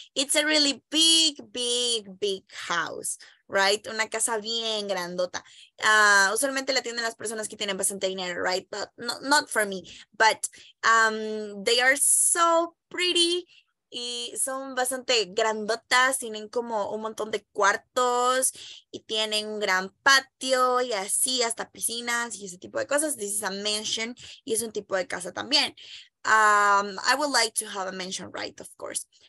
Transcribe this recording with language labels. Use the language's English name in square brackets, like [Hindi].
[English] It's a really big, big, big house, right? [Spanish] Una casa bien grandota. Usualmente la tienen las personas que tienen bastante dinero, right? [English] But not for me. But they are so pretty. [Spanish] Y son bastante grandotas, tienen como un montón de cuartos y tienen un gran patio y así hasta piscinas y ese tipo de cosas. [English] This is a mansion [Spanish] y es un tipo de casa también. [English] I would like to have a mansion, right, of course.